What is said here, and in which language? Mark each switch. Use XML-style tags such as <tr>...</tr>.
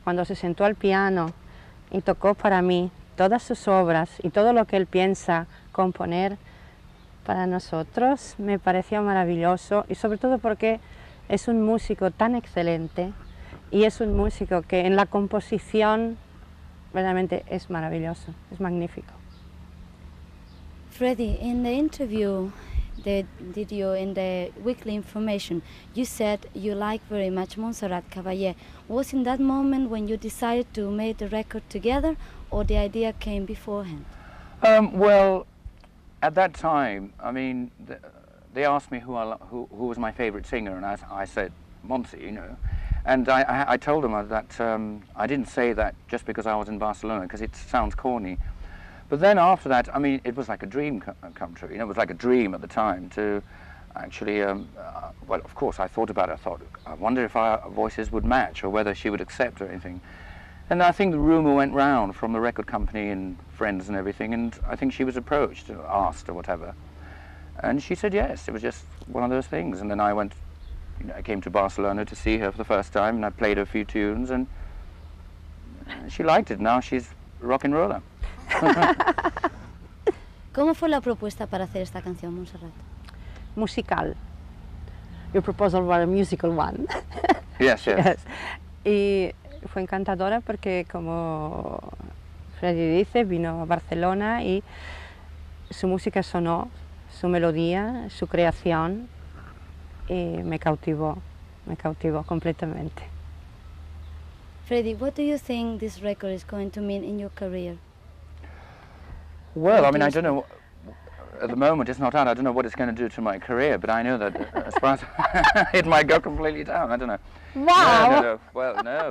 <es>Cuando se sentó al piano y tocó para mí todas sus obras y todo lo que él piensa componer para nosotros, me pareció maravilloso, y sobre todo porque es un músico tan excelente y es un músico que en la composición realmente es maravilloso, es magnífico.</es> <en>Freddy, in the interview did you in the weekly information, you said you like very much Montserrat Caballé. Was in that moment when you decided to make the record together, or the idea came beforehand? Well, at that time, I mean, they asked me who was my favorite singer, and I said Monsi, you know, and I told them that I didn't say that just because I was in Barcelona, because it sounds corny. But then after that, I mean, it was like a dream come true. You know, it was like a dream at the time to actually, well, of course, I thought about it. I thought, I wonder if our voices would match or whether she would accept or anything. And I think the rumor went round from the record company and friends and everything, and I think she was approached or asked or whatever. And she said yes. It was just one of those things. And then I went, you know, I came to Barcelona to see her for the first time, and I played her a few tunes, and she liked it. Now she's rock and roller.</en> <es>¿Cómo fue la propuesta para hacer esta canción, Montserrat?</es> <en>Musical. Your proposal was a musical one. Yes, yes, yes.</en> <es>Y fue encantadora porque, como Freddy dice, vino a Barcelona y su música sonó, su melodía, su creación, y me cautivó completamente.</es> <en>Freddy, what do you think this record is going to mean in your career? Well, I mean, I don't know. At the moment, it's not out. I don't know what it's going to do to my career, but I know that as far as it might go completely down. I don't know. Wow. No. Well, no.</en>